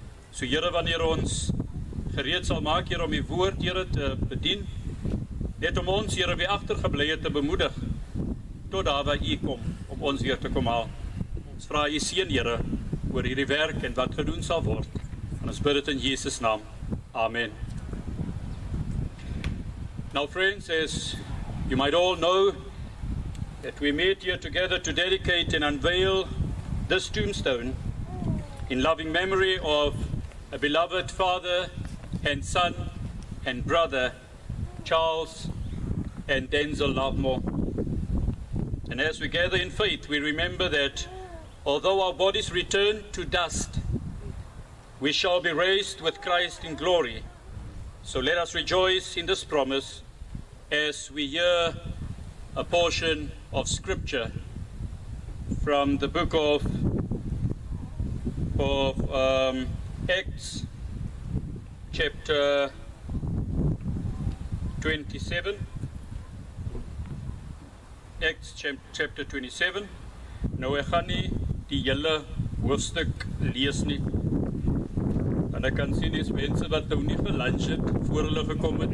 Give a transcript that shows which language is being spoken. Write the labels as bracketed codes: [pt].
[af] So Here, wanneer ons gereed sal maak, Here, om die woord, Here, te bedien, net om ons, Here, wie agtergebly het, te bemoedig tot daar waar U kom, om ons weer te kom haal. Ons vra U seën, Here, oor hierdie werk en wat gedoen sal word. En ons bid dit in Jesus naam. Amen. [en] Now, friends, as you might all know, that we meet here together to dedicate and unveil this tombstone in loving memory of a beloved father and son and brother, Charles and Denzel Lovemore. And as we gather in faith, we remember that although our bodies return to dust, we shall be raised with Christ in glory. So let us rejoice in this promise as we hear a portion of scripture from the book of Acts, chapter 27. Acts chapter 27. [af] Nou, ek gaan nie die hele hoofstuk lees nie. En ek kan sien dis mense wat nou nie geluncht het voor hulle gekom het.